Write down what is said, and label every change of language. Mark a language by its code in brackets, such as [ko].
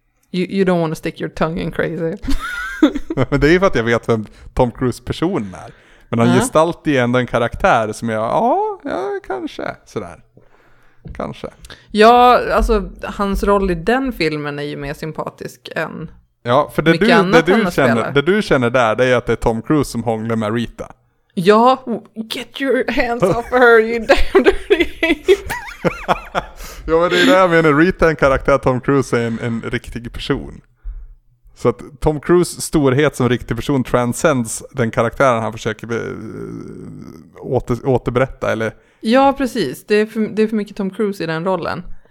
[en] You don't want to stick your tongue in crazy. [sv] Men det är ju för att jag vet vem Tom Cruise personen är. Men han gestaltar ju ändå en karaktär som jag, ja, kanske. Sådär. Kanske. Ja, alltså hans roll i den filmen är ju mer sympatisk än ja, för det mycket du, annat det du känner, spelar. Det du känner där, det är att det är Tom Cruise som hånglar med Rita. [en] Ja, get your hands off her, you damn dirty. [sv] Ja, men det är det jag menar. Rita är en karaktär, Tom Cruise är en riktig person. Så att Tom Cruise storhet som riktig person transcends den karaktären han försöker återberätta. Eller? Ja, precis. Det är för mycket Tom Cruise i den rollen.